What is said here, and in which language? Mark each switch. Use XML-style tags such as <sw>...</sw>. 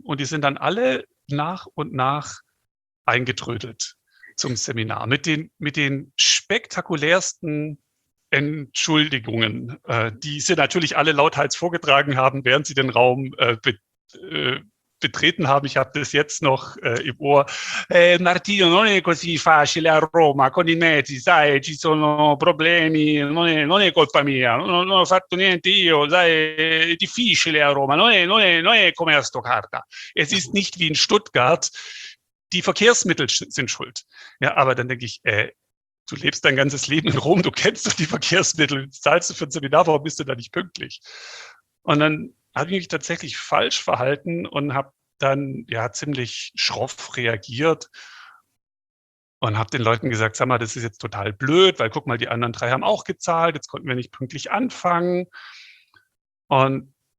<de>Und die sind dann alle nach und nach eingetrödelt zum Seminar mit den spektakulärsten Entschuldigungen, die sie natürlich alle lauthals vorgetragen haben, während sie den Raum betreten haben. Ich habe das jetzt noch im Ohr.</de> <it>Martino, non è così facile a Roma, con i mezzi, sai, ci sono problemi, non è colpa mia, non ho fatto niente io, sai, è difficile a Roma, non è come a Stoccarda.</it> <de>Es ist nicht wie in Stuttgart, die Verkehrsmittel sind schuld. Ja, aber dann denke ich, du lebst dein ganzes Leben in Rom, du kennst doch die Verkehrsmittel, zahlst du für ein Seminar, warum bist du da nicht pünktlich? Und dann habe ich mich tatsächlich falsch verhalten und habe dann ja ziemlich schroff reagiert und habe den Leuten gesagt, sag mal, das ist jetzt total blöd, weil guck mal, die anderen 3 haben auch gezahlt, jetzt konnten wir nicht pünktlich anfangen. Und</de>